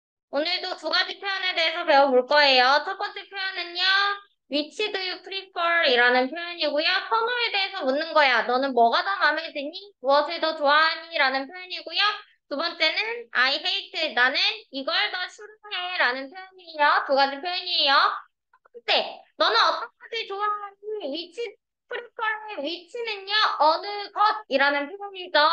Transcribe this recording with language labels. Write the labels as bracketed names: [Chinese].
[Korean] 오늘도 두 가지 표현에 대해서 배워볼 거예요. 첫 번째 표현은요, [English] Which do you prefer? [Korean] 이라는 표현이고요. 선호에 대해서 묻는 거야. 너는 뭐가 더 마음에 드니? 무엇을 더 좋아하니? 라는 표현이고요. 두 번째는 [English] I hate. [Korean] 나는 이걸 더 싫어해. 라는 표현이에요. 두 가지 표현이에요. 첫 번째, 너는 어떤 것을 좋아하니? Which 프리퍼의 위치는요, 어느 것이라는 표현이죠.